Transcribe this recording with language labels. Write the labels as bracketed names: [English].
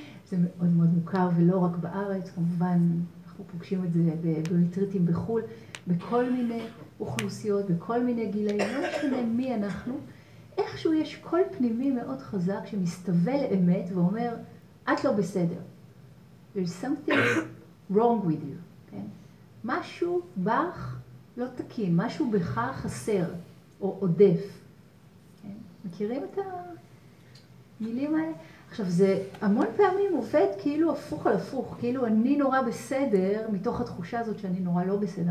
[Hebrew] זה מאוד מאוד מוכר, ולא רק בארץ, כמובן אנחנו פוגשים את זה בריטריטים בחו"ל, בכל מיני אוכלוסיות, בכל מיני גילאים, לא משנה מי אנחנו, איכשהו יש קול פנימי מאוד חזק שמסתווה לאמת ואומר, את לא בסדר. [English] There's something wrong with you. [Hebrew] כן? משהו בך לא תקין, משהו בך חסר או עודף. כן? מכירים את המילים האלה? עכשיו, זה המון פעמים עובד כאילו הפוך על הפוך, כאילו אני נורא בסדר מתוך התחושה הזאת שאני נורא לא בסדר.